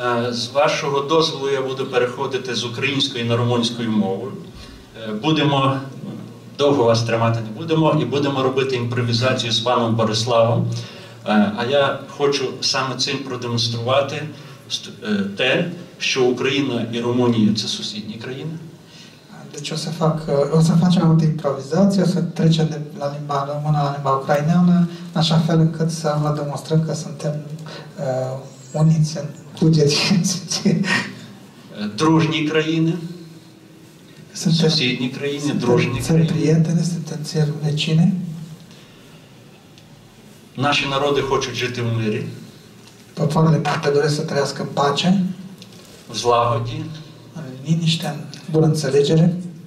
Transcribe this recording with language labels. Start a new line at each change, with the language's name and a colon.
Ukrainian: З вашого дозволу я буду переходити з української на румунську мову. Будемо, довго вас тримати не будемо, і будемо робити імпровізацію з паном Бориславом. А я хочу саме цим продемонструвати те, що Україна і Румунія – це сусідні країни.
Romanian: Deci o să facem o improvizație, o să trecem de la limba română la limba ucraineană, în așa fel încât să vă demonstrăm că suntem uniți în cugetințe.
Ukrainian: Drujni країни, sosiedni країни, drujni
Romanian: Suntem prieteni, suntem țări vecine.
Ukrainian: Наші народи хочуть жити в мирі.
Romanian: Poporile noastre doresc să trăiască în pace.
Ukrainian: В злагоді.
Romanian: În liniște, în bună înțelegere.